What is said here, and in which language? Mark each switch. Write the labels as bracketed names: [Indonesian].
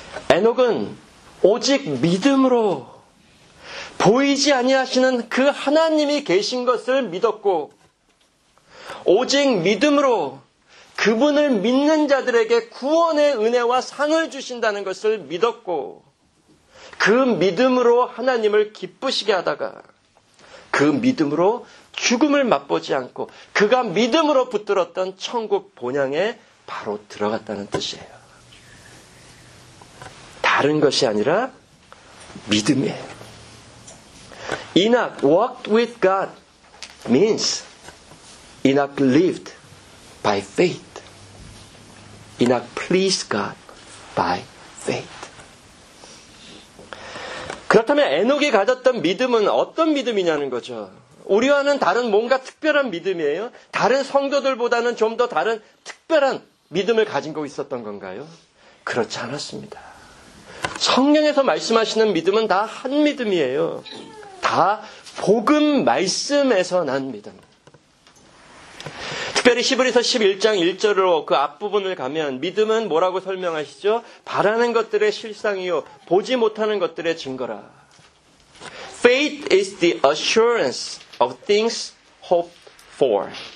[Korean] 에녹은 오직 믿음으로 보이지 아니하시는 그 하나님이 계신 것을 믿었고 오직 믿음으로 그분을 믿는 자들에게 구원의 은혜와 상을 주신다는 것을 믿었고 그 믿음으로 하나님을 기쁘시게 하다가 그 믿음으로 죽음을 맛보지 않고 그가 믿음으로 붙들었던 천국 본향에 바로 들어갔다는 뜻이에요. 다른 것이 아니라 믿음이에요. [English] Enoch walked with God means Enoch lived by faith. Enoch pleased God by faith. [Korean] 그렇다면 에녹이 가졌던 믿음은 어떤 믿음이냐는 거죠. 우리와는 다른 뭔가 특별한 믿음이에요? 다른 성도들보다는 좀 더 다른 특별한 믿음을 가진 거 있었던 건가요? 그렇지 않았습니다. 성경에서 말씀하시는 믿음은 다 한 믿음이에요. 다 복음 말씀에서 난 믿음. 특별히 히브리서 11장 1절로 그 앞부분을 가면 믿음은 뭐라고 설명하시죠? 바라는 것들의 실상이요. 보지 못하는 것들의 증거라. [English] Faith is the assurance of things hoped for.